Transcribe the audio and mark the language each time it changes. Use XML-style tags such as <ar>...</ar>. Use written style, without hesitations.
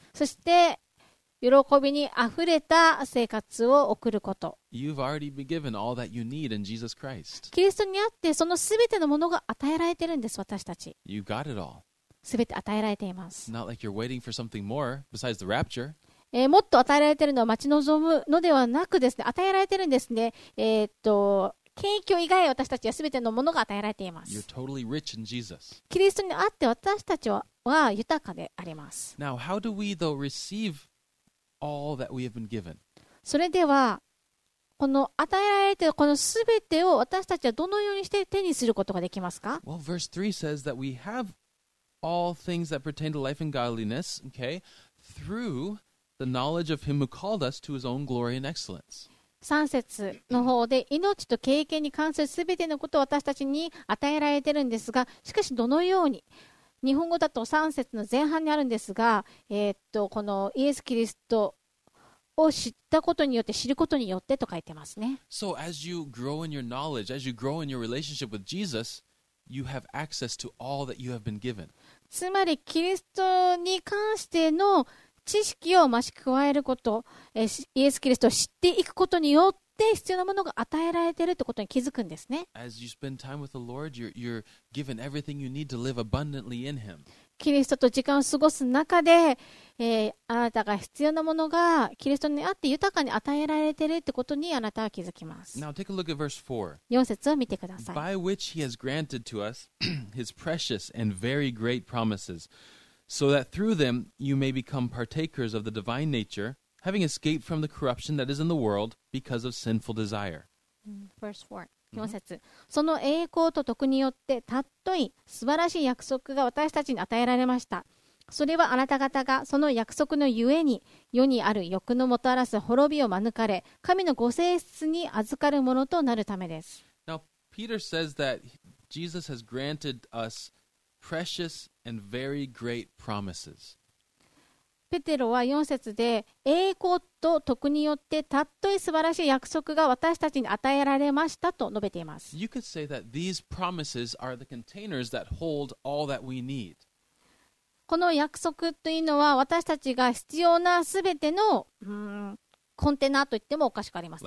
<ja>そして喜びにあふれた生活を送ること。</ja> <en>You've already been given all that you need in Jesus Christ.</en> <ja>キリストにあってそのすべてのものが与えられているんです、私たち。</ja> <en>You got it all.</en> <ja>すべて与えられています。</ja> <en>Not like you're waiting for something more besides the rapture.</en> <ja>もっと与えられているのを待ち望むのではなくですね、与えられているんですね。権益以外私たちは全てのものが与えられています。</ja> <en>You're totally rich in Jesus.</en> <ja>キリストにあって私たちは豊かであります。</ja> <en>Now, how do we, though, receive all that we have been given?</en> <ja>それでは、この与えられているこの全てを私たちはどのようにして手にすることができますか?</ja> <en>Well, verse 3 says that we have all things that pertain to life and godliness, okay, throughThe knowledge of him who called us to his own glory and excellence.</en> <ja>3節の方で命と経験に関するすべてのことを私たちに与えられているんですが、しかしどのように、日本語だと3節の前半にあるんですが、このイエス・キリストを知ったことによって、知ることによってと書いてますね。</ja> <en>So as you grow in your knowledge, as you grow in your relationship with Jesus, you have access to all that you have been given.</en> <ja>つまりキリストに関しての知識を増し加えること、イエス・キリストを知っていくことによって必要なものが与えられているということに気づくんですね。</ja> <en>As you spend time with the Lord, you're given everything you need to live abundantly in Him.</en> <ja>キリストと時間を過ごす中で、あなたが必要なものがキリストにあって豊かに与えられているということにあなたは気づきます。</ja> <en>Now take a look at verse</en> <ja>4. 4節を見てください。</ja> <en>By which He has granted to us His precious and very great promises. So that through them you may become partakers of the divine nature, having escaped from the corruption that is in the world because of sinful desire. Verse 4. 4節。</en> <ja>その栄光と徳によって、たっとい素晴らしい約束が私たちに与えられました。それはあなた方がその約束のゆえに、世にある欲のもたらす滅びを免れ、神のご性質に預かるものとなるためです。</ja> <en>Now, Peter says that Jesus has granted us precious and very great promises.</en> <ja>ペテロは4節で栄光と徳によってたっとい素晴らしい約束が私たちに与えられましたと述べています。</ja> <en>You could say that these promises are the containers that hold all that we need.</en> <ja>この約束というのは私たちが必要なすべてのコンテナと言ってもおかしくありません。</ja>